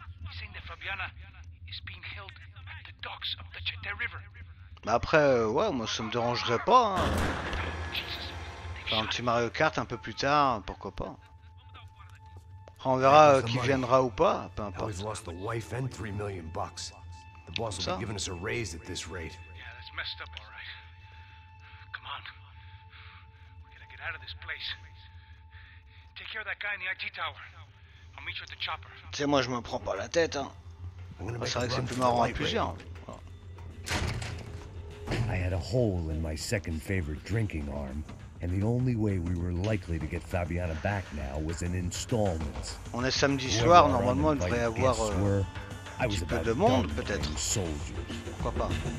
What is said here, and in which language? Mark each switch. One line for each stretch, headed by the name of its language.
English: He's saying that Fabiana is being held at the docks of the Chete River.
French: Mais après, ouais, moi ça me dérangerait pas, hein.
English: Jesus.
French: Enfin, un petit Mario Kart un peu plus tard, pourquoi pas. On verra qui viendra ou pas, peu importe.
English: We've lost the wife and 3 million bucks. The boss will be giving us a raise at this rate. Yeah, that's messed up, all right. Come on, we gotta get out of this place. Take care of that guy in the IT tower. I'll meet you at the chopper.
French: C'est moi, je me prends pas la tête, hein. C'est vrai que c'est plus marrant à plusieurs.
English: I had a hole in my second favorite drinking arm. And the only way we were likely to get Fabiana back now was in installments.
French: On est samedi soir, normalement, il devrait y avoir un petit peu de monde, peut-être. Pourquoi pas?